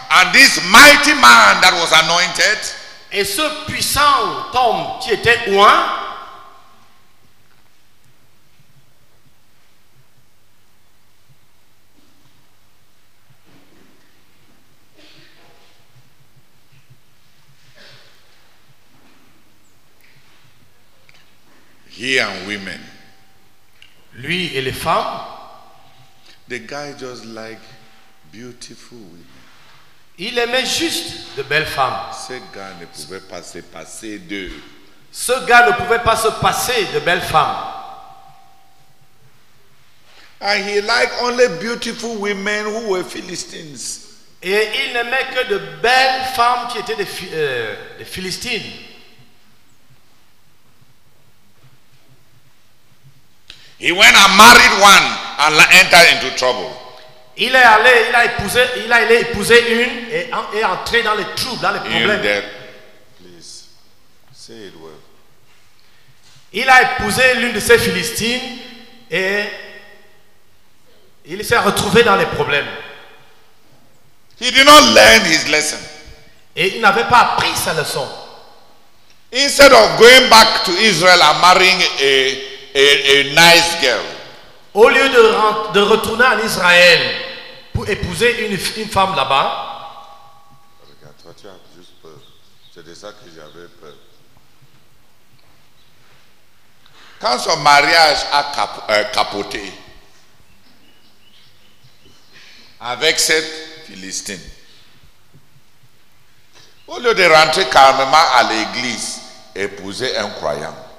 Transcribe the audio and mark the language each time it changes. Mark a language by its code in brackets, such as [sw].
[en] And this mighty man that was anointed, [fr] et ce puissant homme qui était oint, [en] he and women, [fr] lui et les femmes, [en] the guy just like beautiful women. [fr] Il aimait juste de belles femmes. Ce gars ne pouvait pas se passer d'eux. Ce gars ne pouvait pas se passer de belles femmes. [en] And he liked only beautiful women who were Philistines. [fr] Et il n'aimait que de belles femmes qui étaient des Philistines. [en] He went and married one and entered into trouble. [fr] Il est allé, il a épousé une et est entré dans les troubles, dans les problèmes. [en] That, please, say it well. [fr] Il a épousé l'une de ces Philistines et il s'est retrouvé dans les problèmes. [en] He did not learn his lesson. [fr] Et il n'avait pas appris sa leçon. [en] Instead of going back to Israel and marrying a nice girl. [fr] Au lieu de retourner en Israël pour épouser une femme là-bas. Regarde, toi tu as juste peur. C'est de ça que j'avais peur. Quand son mariage a capoté avec cette Philistine, au lieu de rentrer calmement à l'église, épouser un croyant.